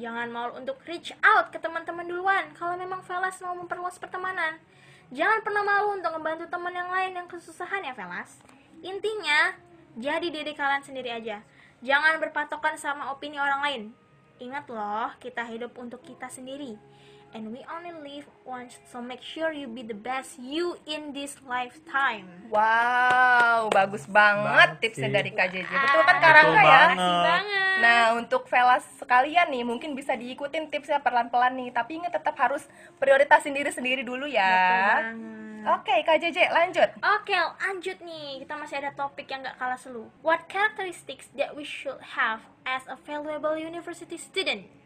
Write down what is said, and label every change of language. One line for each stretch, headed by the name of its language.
Indonesian: Jangan malu untuk
English: reach out
Indonesian: ke teman-teman duluan kalau memang Velas mau memperluas pertemanan. Jangan pernah malu untuk membantu teman yang lain yang kesusahan ya, Velas. Intinya, jadi diri kalian sendiri aja. Jangan berpatokan sama opini orang lain. Ingat loh, kita hidup untuk kita sendiri.
English: And we only live once, so make sure you be the best you in this lifetime.
Indonesian: Wow, bagus banget tipsnya dari Kak JJ. Betul kan Kak Rangga ya? Banget. Nah, untuk Velas sekalian nih, mungkin bisa diikutin tipsnya pelan-pelan nih. Tapi ingat tetap harus prioritasin diri sendiri dulu ya. Oke, Kak JJ lanjut. Oke, lanjut nih. Kita masih ada topik yang gak kalah seru.
English: What characteristics that we should have as a valuable university student?